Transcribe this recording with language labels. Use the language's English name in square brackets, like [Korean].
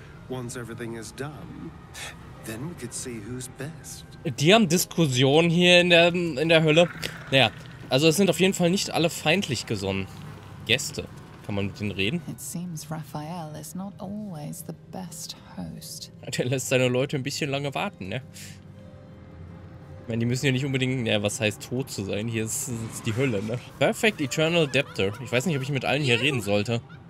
[English] once everything is done, then we could see who's best. [German] Die haben Diskussionen hier in der Hölle. Naja, also es sind auf jeden Fall nicht alle feindlich gesonnen. Gäste. Kann man mit denen reden? [English] It seems Raphael is not always the best host. [German] Der lässt seine Leute ein bisschen lange warten, ne? Ich meine, die müssen ja nicht unbedingt, ja, was heißt tot zu sein? Hier ist die Hölle, ne? Perfect Eternal Debtor. Ich weiß nicht, ob ich mit allen hier reden sollte.